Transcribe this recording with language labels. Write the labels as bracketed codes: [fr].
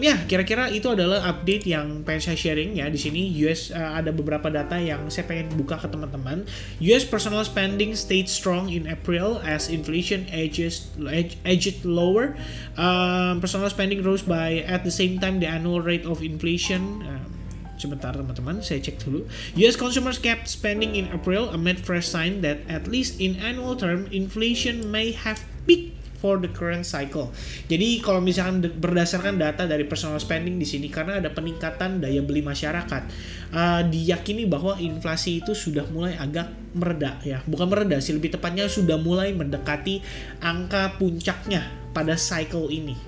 [id] Ya, kira-kira itu adalah update yang pengen saya sharing ya. Di sini US ada beberapa data yang saya pengen buka ke teman-teman. [en] US personal spending stayed strong in April as inflation edged lower. Personal spending rose by at the same time the annual rate of inflation. [id] Sebentar teman-teman, saya cek dulu. [en] US consumers kept spending in April amid fresh sign that at least in annual term inflation may have peaked for the current cycle. [id] Jadi kalau misalkan berdasarkan data dari personal spending di sini, karena ada peningkatan daya beli masyarakat, diyakini bahwa inflasi itu sudah mulai agak mereda ya. Bukan mereda sih, lebih tepatnya sudah mulai mendekati angka puncaknya pada cycle ini.